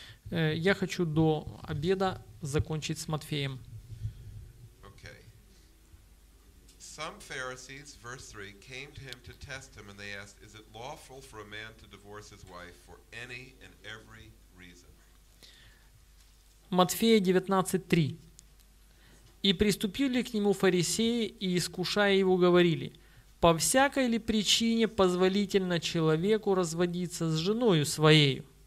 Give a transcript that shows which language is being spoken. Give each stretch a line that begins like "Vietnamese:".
Russian: Я хочу до обеда закончить с Матфеем.
English: Okay. Some Pharisees, verse 3, came to him to test him, and they asked, is it lawful for a man to divorce his wife for any and every reason?
Russian: Матфея 19:3. И приступили к нему фарисеи, и, искушая его, говорили: по всякой ли причине позволительно человеку разводиться с женою своею?